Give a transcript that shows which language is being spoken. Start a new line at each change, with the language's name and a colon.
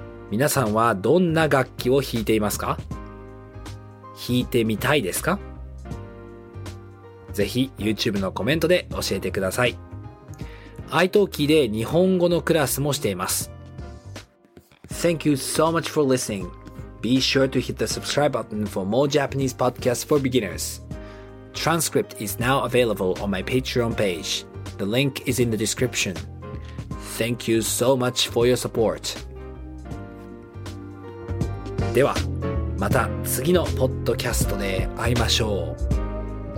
Japanese: 皆さんはどんな楽器を弾いていますか？弾いてみたいですか？ぜひ YouTube のコメントで教えてください。iTalkieで日本語のクラスもしています。
English: Thank you so much for listening. Be sure to hit the subscribe button for more Japanese podcasts for beginners. Transcript is now available on my Patreon page. The link is in the description. Thank you so much for your support.
Japanese: では、また次のポッドキャストで会いましょう。